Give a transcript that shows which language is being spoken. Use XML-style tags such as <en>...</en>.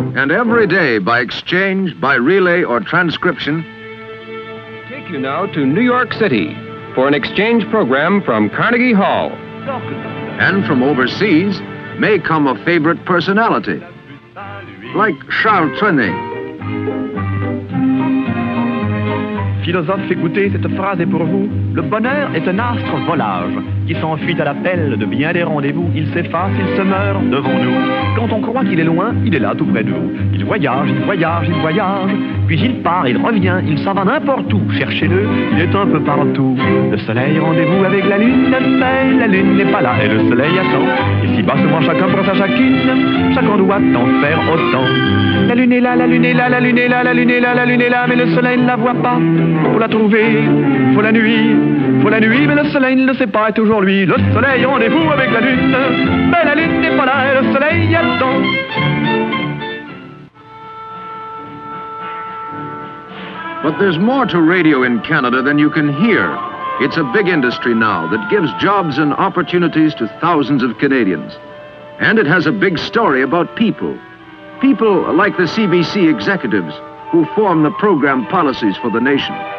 <en>Every day by exchange, by relay, or transcription. Take you now to New York City for an exchange program from Carnegie Hall. And from overseas may come a favorite personality, like Charles Trenet.</en> <fr>Philosophe, écoutez, cette phrase est pour vous. Le bonheur est un astre volage qui s'enfuit à l'appel de bien des rendez-vous. Il s'efface, il se meurt devant nous. Quand on croit qu'il est loin, il est là tout près de vous. Il voyage, il voyage, il voyage. Puis il part, il revient, il s'en va n'importe où. Cherchez-le, il est un peu partout. Le soleil, rendez-vous avec la lune. Mais la lune n'est pas là et le soleil attend. Ici bas seulement chacun prend sa chacune. Chacun doit en faire autant. La lune est là, la lune est là, la lune est là, la lune est là, la lune est là. Mais le soleil ne la voit pas. Faut la trouver, faut la nuit, mais le soleil ne le sait pas, et toujours lui, le soleil, rendez-vous avec la lune, mais la lune n'est pas là, et le soleil y attend.</fr> <en>But there's more to radio in Canada than you can hear. It's a big industry now that gives jobs and opportunities to thousands of Canadians. And it has a big story about people. People like the CBC executives, who form the program policies for the nation.</en>